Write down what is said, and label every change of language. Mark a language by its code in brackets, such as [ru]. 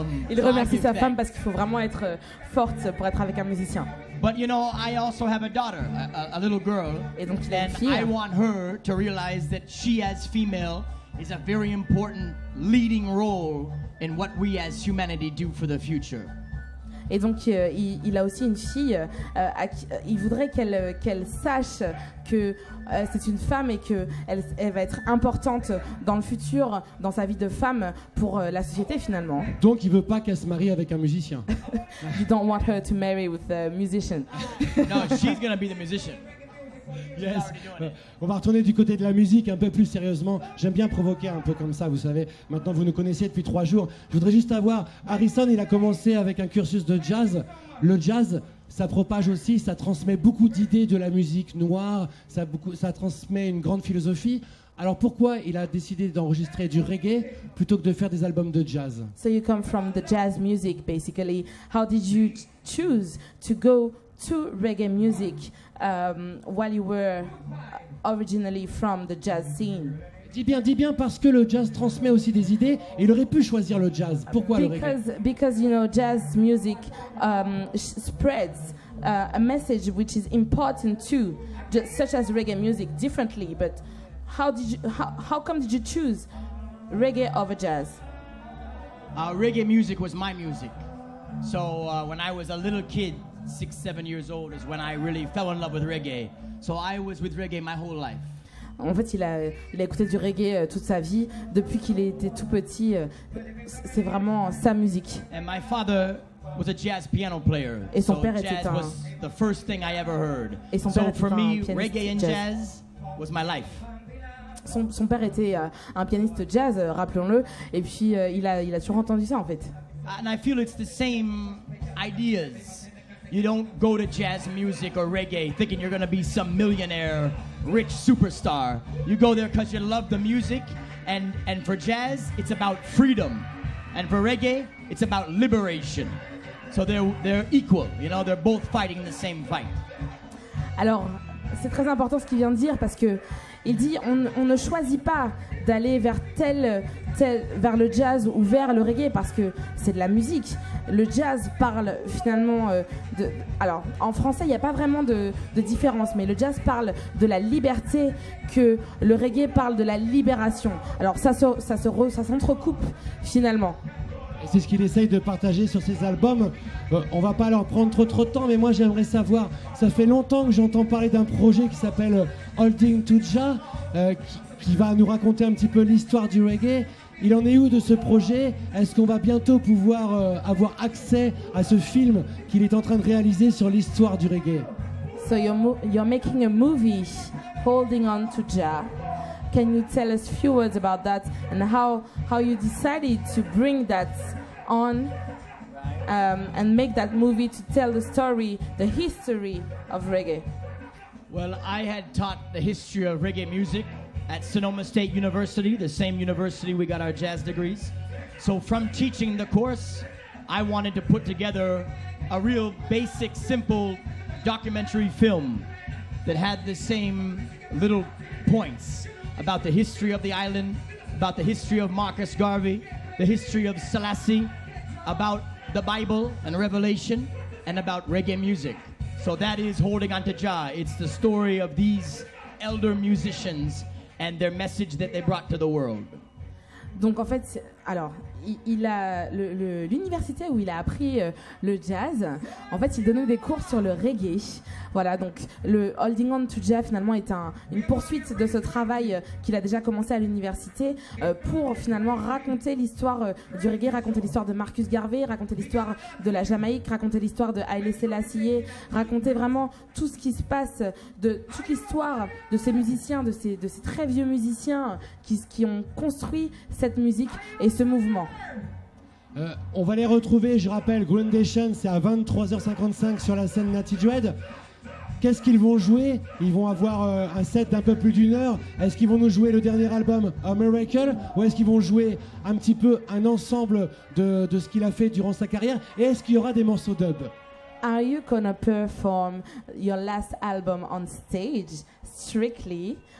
[fr] Il remercie sa femme parce qu'il faut vraiment être forte pour être avec un musicien. [en] But you know, I also have a daughter, a little girl. [fr] Et donc, il a une [en] fille. And I want her to realize that she, as female, is a very important leading role in what we as humanity do for the future. [fr] Et donc, il a aussi une fille. Il voudrait qu'elle sache que c'est une femme et qu'elle va être importante dans le futur, dans sa vie de femme, pour la société, finalement. Donc, il ne veut pas qu'elle se marie avec un musicien. [en] You don't want her to marry with a musician. No, she's going to be the musician. Yes. [fr] On va retourner du côté de la musique un peu plus sérieusement. J'aime bien provoquer un peu comme ça, vous savez. Maintenant, vous nous connaissez depuis 3 jours. Je voudrais juste avoir, Harrison, il a commencé avec un cursus de jazz. Le jazz, ça propage aussi, ça transmet beaucoup d'idées de la musique noire, ça transmet une grande philosophie. Alors pourquoi il a décidé d'enregistrer du reggae plutôt que de faire des albums de jazz? [en] So you come from the jazz music, basically. How did you choose to go to reggae music while you were originally from the jazz scene? [fr] Dis bien, parce que le jazz transmet aussi des idées et il aurait pu choisir le jazz. Pourquoi le reggae? [en] Because you know, jazz music spreads a message which is important too, such as reggae music, differently. But how come did you choose reggae over jazz? Reggae music was my music. So when I was a little kid, 6-7 years old is when I really fell in love with reggae. So I was with reggae my whole life. [fr] En fait, il a écouté du reggae toute sa vie depuis qu'il était tout petit. C'est vraiment sa musique. [en] And my father was a jazz piano player. [fr] Et son père était [en] jazz was the first thing I ever heard. [fr] Et son père [en] so for me, reggae and jazz was my life. [fr] Son père était un pianiste jazz, rappelons-le, et puis il a toujours entendu ça en fait. [en] And I feel it's the same ideas. You don't go to jazz music or reggae thinking you're going to be some millionaire, rich superstar. You go there because you love the music. And for jazz, it's about freedom. And for reggae, it's about liberation. So they're equal, you know, they're both fighting the same fight. [fr] Alors, c'est très important ce qu'il vient de dire parce que il dit on ne choisit pas d'aller vers le jazz ou vers le reggae parce que c'est de la musique. Le jazz parle finalement de, alors en français il n'y a pas vraiment de différence, mais le jazz parle de la liberté que le reggae parle de la libération. Alors ça s'entrecoupe finalement. Et c'est ce qu'il essaye de partager sur ses albums. On va pas leur prendre trop de temps, mais moi j'aimerais savoir, ça fait longtemps que j'entends parler d'un projet qui s'appelle Holding to Jah, qui va nous raconter un petit peu l'histoire du reggae. Il en est où de ce projet? Est-ce qu'on va bientôt pouvoir avoir accès à ce film qu'il est en train de réaliser sur l'histoire du reggae? [en] So you're making a movie, Holding on to Jah. Can you tell us a few words about that and how you decided to bring that on and make that movie to tell the story, the history of reggae? Well, I had taught the history of reggae music at Sonoma State University, the same university we got our jazz degrees. So from teaching the course, I wanted to put together a real basic, simple documentary film that had the same little points about the history of the island, about the history of Marcus Garvey, the history of Selassie, about the Bible and Revelation, and about reggae music. So that is Holding Onto Jah. It's the story of these elder musicians and their message that they brought to the world. [fr] Donc en fait, Alors, l'université où il a appris le jazz, en fait, il donnait des cours sur le reggae. Voilà, donc le Holding On to Jah finalement est une poursuite de ce travail qu'il a déjà commencé à l'université pour finalement raconter l'histoire du reggae, raconter l'histoire de Marcus Garvey, raconter l'histoire de la Jamaïque, raconter l'histoire de Haile Selassie, raconter vraiment tout ce qui se passe, de toute l'histoire de ces musiciens, de ces très vieux musiciens qui ont construit cette musique et ce mouvement. On va les retrouver, je rappelle, Groundation, c'est à 23h55 sur la scène Natty Dread. Qu'est-ce qu'ils vont jouer? Ils vont avoir un set d'un peu plus d'une heure. Est-ce qu'ils vont nous jouer le dernier album, A Miracle? Ou est-ce qu'ils vont jouer un petit peu un ensemble de ce qu'il a fait durant sa carrière? Et est-ce qu'il y aura des morceaux dub? [en] Are you gonna perform your last album on stage strictly?